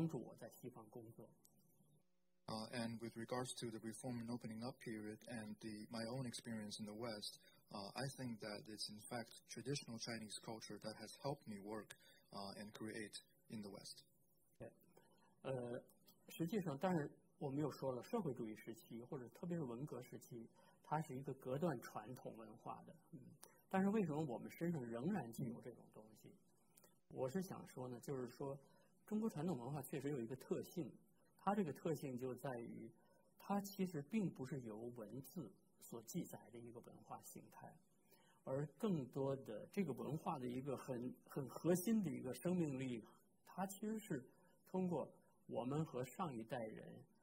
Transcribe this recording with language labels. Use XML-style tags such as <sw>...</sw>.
<zh>当然呢，这个到了改革开放以后，或者说这个在西方，在西方的工作和体会，实际上我发现真正帮助我的是中国的传统的文化在帮助我在西方工作。And</zh> <en>with regards to the reform and opening up period and my own experience in the West, I think that it's in fact traditional Chinese culture that has helped me work. And create in the West.</en> <zh>实际上，但是我们又说了，社会主义时期或者特别是文革时期，它是一个隔断传统文化的。但是为什么我们身上仍然具有这种东西？我是想说呢，就是说中国传统文化确实有一个特性，它这个特性就在于它其实并不是由文字所记载的一个文化形态，而更多的这个文化的一个很核心的一个生命力，它其实是通过我们和上一代人</zh>